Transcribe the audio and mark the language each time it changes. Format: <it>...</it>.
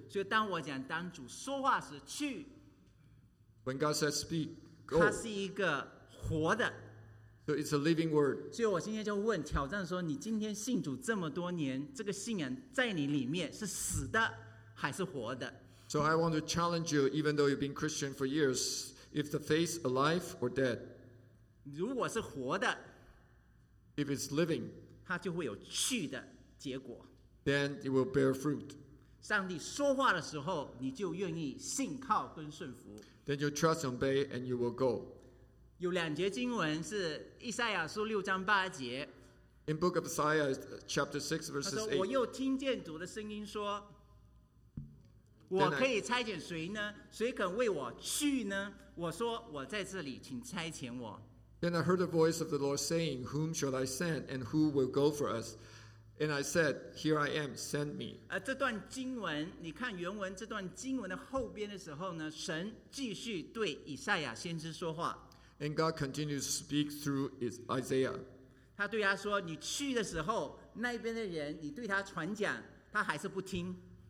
<zh>所以当我讲当主说话时去。</zh> <en>When God says speak, go.</en> <zh>它是一个活的。</zh> <en>So it's a living word.</en> <zh>所以我今天就问挑战说你今天信主这么多年这个信仰在你里面是死的还是活的。</zh> <en>So I want to challenge you even though you've been Christian for years, if the faith alive or dead.</en> <zh>如果是活的</zh> <en>If it's living,</en> <zh>它就会有去的结果</zh> <en>Then it will bear fruit.</en> <zh>上帝说话的时候你就愿意信靠跟顺服</zh> <en>Then you trust and obey and you will go.</en> <zh>有两节经文是以赛亚书六章八节</zh> <en>In book of Isaiah chapter 6 verses 8</en> <zh>他说我又听见主的声音说我可以差遣谁呢谁肯为我去呢我说我在这里请差遣我</zh> <en>Then I heard the voice of the Lord saying, Whom shall I send, and who will go for us? And I said, Here I am, send me.</en> <zh>这段经文，你看原文这段经文的后边的时候呢，神继续对以赛亚先知说话。</zh> <en>And God continues to speak through Isaiah.</en> <zh>他对他说，你去的时候，那边的人，你对他传讲，他还是不听。</zh>